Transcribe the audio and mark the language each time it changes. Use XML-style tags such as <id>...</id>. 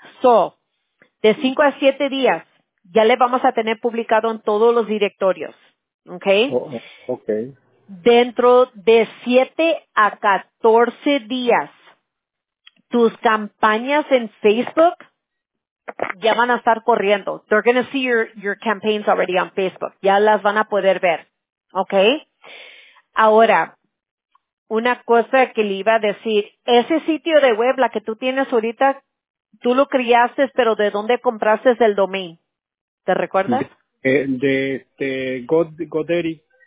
<es>So, de 5 a 7 días, ya le vamos a tener publicado en todos los directorios.</es> <en>Okay. Okay.</en> <es>Dentro de 7 a 14 días, tus campañas en Facebook ya van a estar corriendo.</es> <en>They're going to see your campaigns already on Facebook.</en> <es>Ya las van a poder ver. Okay. Ahora, una cosa que le iba a decir, ese sitio de web, la que tú tienes ahorita, tú lo creaste, pero ¿de dónde compraste el domain? ¿Te recuerdas? De GoDaddy.</es>